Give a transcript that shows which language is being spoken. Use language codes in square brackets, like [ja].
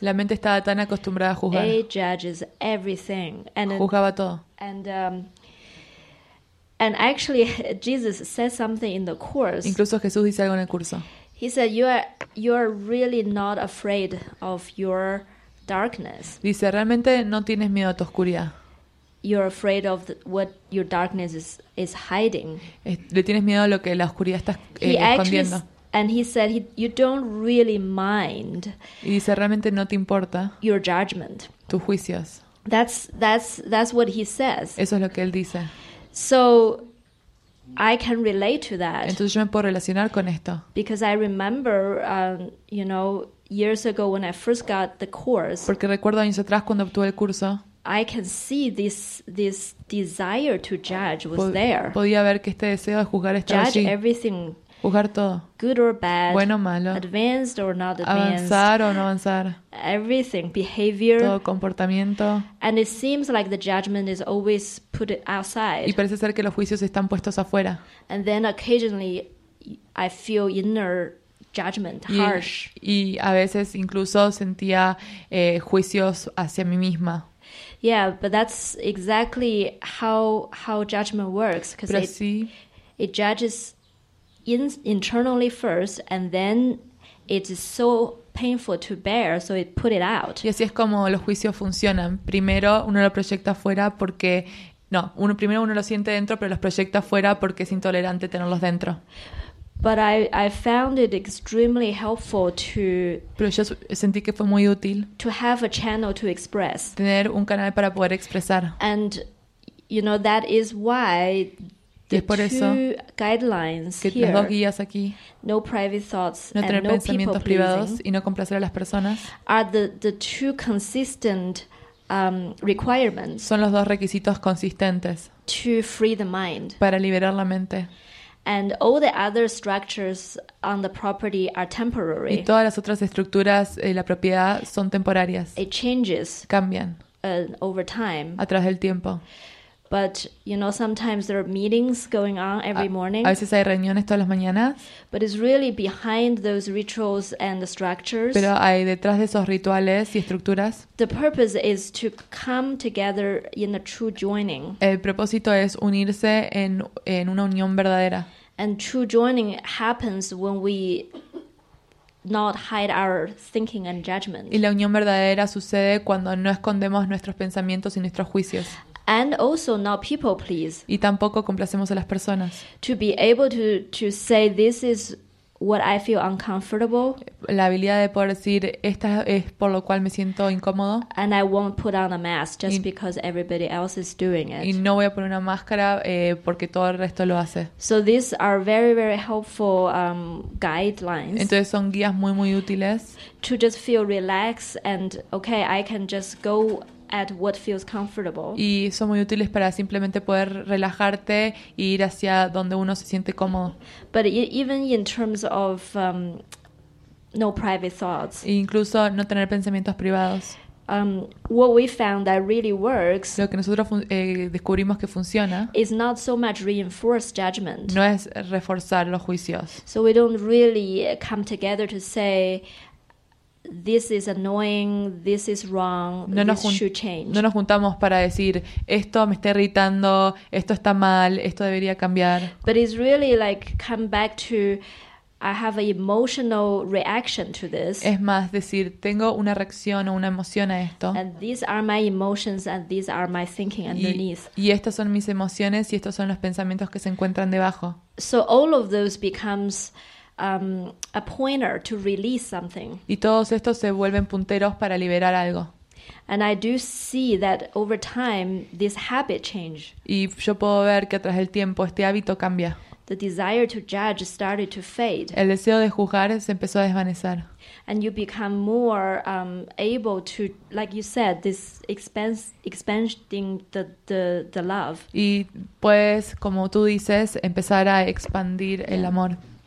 [es] La mente estaba tan acostumbrada a juzgar. [en] It judges everything and [es] juzgaba todo. [en] And actually, Jesus says something in the course. [es] Incluso Jesús dice algo en el curso. [en] He said, "You are really not afraid of your darkness." [es] Dice realmente no tienes miedo a tu oscuridad. [en] You're afraid of what your darkness is hiding. [es] Le tienes miedo a lo que la oscuridad está escondiendo. [en] And he said, "You don't really mind." [es] Y dice realmente no te importa. [en] Your judgment. [es] Tus juicios. [en] That's what he says. [es] Eso es lo que él dice. [en] So I can relate to that. [es] Entonces yo me puedo relacionar con esto. [en] Because I remember you know years ago when I first got the course. [es] Porque recuerdo años atrás cuando obtuve el curso. [en] I can see this desire to judge was there. [es] Podía ver que este deseo de juzgar estaba [en] judge [es] allí. [en] Everything. [es] Juzgar todo. [en] Good or bad. [es] Bueno o malo. [en] Advanced or not advanced. [es] Avanzar o no avanzar. [en] Everything. Behavior. [es] Todo comportamiento. [en] And it seems like the judgment is always put outside. [es] Y parece ser que los juicios están puestos afuera. [en] And then occasionally I feel inner judgment, harsh. [es] Y a veces incluso sentía juicios hacia mí misma. [en] Yeah, but that's exactly how judgment works. [es] Pero sí. [en] It judges internally first, and then it is so painful to bear, so it put it out. [es] Y así es como los juicios funcionan. Primero uno lo proyecta afuera porque no, uno primero uno lo siente dentro, pero los proyecta afuera porque es intolerante tenerlos dentro. [en] But I found it extremely helpful to. [es] Pero yo sentí que fue muy útil. [en] To have a channel to express. [es] Tener un canal para poder expresar. [en] And you know that is why. [es] Y es por eso que [en] here, [es] las dos guías aquí, [en] no, private thoughts [es] no tener [en] and [es] pensamientos no privados y no complacer a las personas, [en] are the two consistent, requirements [es] son los dos requisitos consistentes [en] to free the mind. [es] Para liberar la mente. [en] And all the other structures on the property are temporary. [es] Y todas las otras estructuras de la propiedad son temporarias. [en] It changes [es] cambian [en] over time. [es] A través del tiempo. [en] But you know, sometimes there are meetings going on every morning. [es] A veces hay reuniones todas las mañanas. [en] But it's really behind those rituals and the structures. [es] Pero hay detrás de esos rituales y estructuras. [en] The purpose is to come together in a true joining. [es] El propósito es unirse en una unión verdadera. [en] And true joining happens when we not hide our thinking and judgment. [es] Y la unión verdadera sucede cuando no escondemos nuestros pensamientos y nuestros juicios. [en] And also not people please. [es] Y tampoco complacemos a las personas. [en] To be able to say this is what I feel uncomfortable. [es] La habilidad de poder decir esta es por lo cual me siento incómodo. [en] And I won't put on a mask just because everybody else is doing it. [es] Y no voy a poner una máscara porque todo el resto lo hace. [en] So these are very very helpful guidelines. [es] Entonces son guías muy muy útiles. [en] To just feel relaxed and okay, I can just go at what feels comfortable. [es] Y son muy útiles para simplemente poder relajarte y ir hacia donde uno se siente cómodo. [en] But even in terms of no private thoughts. [es] E incluso no tener pensamientos privados. [en] What we found that really works. [es] Lo que nosotros descubrimos que funciona. [en] Is not so much reinforced judgment. [es] No es reforzar los juicios. [en] So we don't really come together to say this is annoying, this is wrong, this should change. [es] No nos juntamos para decir esto me está irritando, esto está mal, esto debería cambiar. [en] But it's really like come back to I have an emotional reaction to this. [es] Es más decir, tengo una reacción o una emoción a esto. [en] And these are my emotions and these are my thinking underneath. [es] Y estas son mis emociones y estos son los pensamientos que se encuentran debajo. [en] So all of those becomes a pointer to release something. [es] Y todos estos se vuelven punteros para liberar algo. [en] And I do see that over time this habit change. [es] Y yo puedo ver que tras el tiempo este hábito cambia. [en] The desire to judge started to fade. [es] El deseo de juzgar se empezó a desvanecer. [en] And you become more able to, like you said, this expanding the love. [es] Y puedes, como tú dices, empezar a expandir el amor.